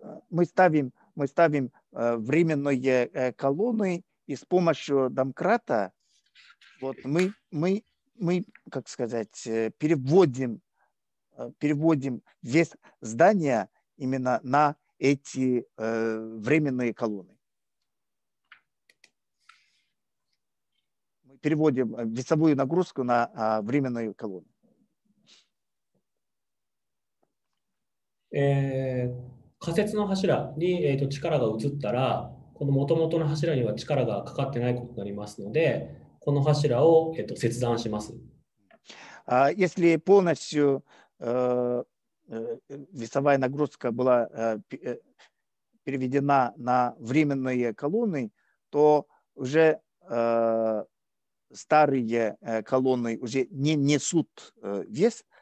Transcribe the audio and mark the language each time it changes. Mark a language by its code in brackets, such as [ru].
[ru] Мы ставим временные колонны и с помощью домкрата вот мы, как сказать, переводим вес здания именно на эти временные колонны. Мы переводим весовую нагрузку на временные колонны. [ja] Э, 仮設の柱に力が移ったら, この元々の柱には力がかかってないことになりますので、この柱を切断します。 [ru] Если полностью весовая нагрузка была переведена на временные колонны, то уже старые колонны уже не несут вес,